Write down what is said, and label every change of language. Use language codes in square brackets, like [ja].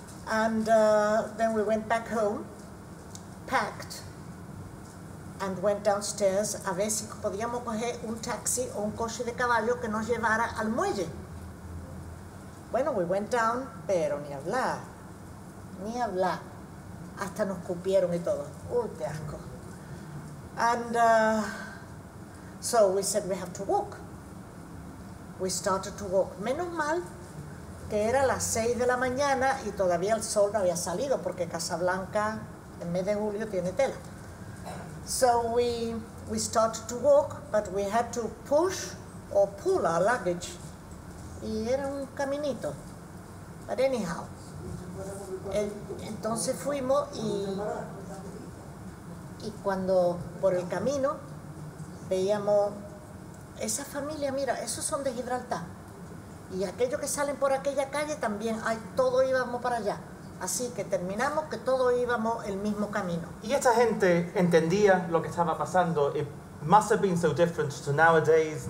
[en] And then we went back home, packed, and went downstairs [es] a ver si podíamos coger un taxi o un coche de caballo que nos llevara al muelle. Bueno, [en] we went down, [es] pero ni hablar, ni hablar. Hasta nos cupieron y todo. Uy, qué asco. [en] And so we said we have to walk. We started to walk. [es] Menos mal que era las 6 de la mañana y todavía el sol no había salido porque Casablanca en mes de julio tiene tela. [en] So we started to walk, but we had to push or pull our luggage. [es] Y era un caminito. [en] But anyhow. [es] Entonces fuimos y cuando por el camino veíamos esa familia, mira, esos son de Gibraltar. Y aquellos que salen por aquella calle también, ay, todos íbamos para allá. Así que terminamos que todos íbamos el mismo camino. Y esta gente entendía lo que estaba pasando. [en] It must have been so different to nowadays.